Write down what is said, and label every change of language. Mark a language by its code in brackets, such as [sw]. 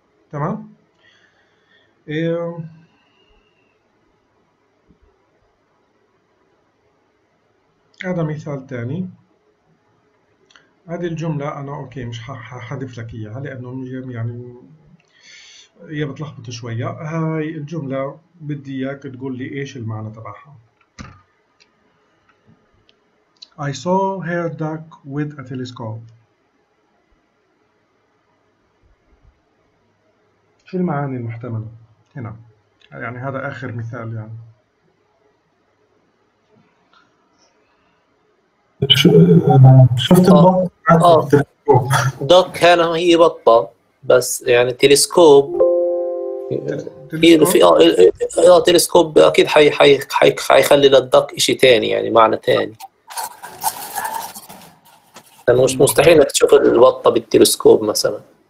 [ar] تمام، هذا مثال تاني. هذه الجملة أنا أوكي مش ححذف لك إياها لأنه يعني هي بتلخبط شوية. هاي الجملة بدي إياك تقول لي إيش المعنى تبعها. [en] I saw her duck with a telescope. [ar] في المعاني المحتملة هنا، يعني هذا آخر مثال يعني. شفت البطة؟ دوك كان هي بطة، بس يعني تلسكوب في تلسكوب اكيد حي حي حي حيخلي للدق شيء ثاني، يعني معنى ثاني، لانه مش مستحيل انك تشوف البطه بالتلسكوب مثلا.